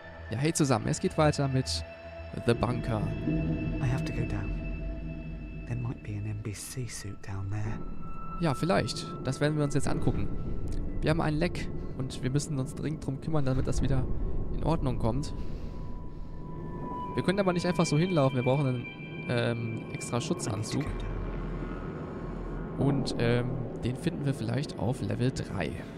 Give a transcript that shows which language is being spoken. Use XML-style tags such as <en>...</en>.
<de>Ja, hey zusammen, es geht weiter mit The Bunker.</de> <en>I have to go down. There might be an NBC suit down there.</en> <de>Ja, vielleicht. Das werden wir uns jetzt angucken. Wir haben einen Leck und wir müssen uns dringend drum kümmern, damit das wieder in Ordnung kommt. Wir können aber nicht einfach so hinlaufen, wir brauchen einen extra Schutzanzug. Und den finden wir vielleicht auf Level 3.</de>